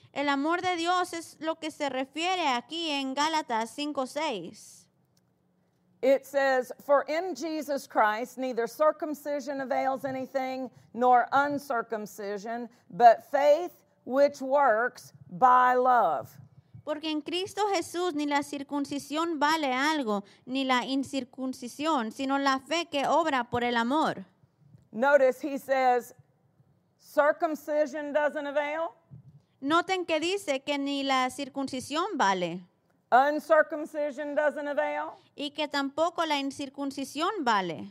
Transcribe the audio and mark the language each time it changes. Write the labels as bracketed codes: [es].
[es] El amor de Dios es lo que se refiere aquí en Gálatas 5:6. [en] It says, "For in Jesus Christ neither circumcision avails anything nor uncircumcision, but faith which works by love." [es] Porque en Cristo Jesús ni la circuncisión vale algo, ni la incircuncisión, sino la fe que obra por el amor. [en] Notice he says, circumcision doesn't avail. [es] Noten que dice que ni la circuncisión vale. [en] Uncircumcision doesn't avail. [es] Y que tampoco la incircuncisión vale.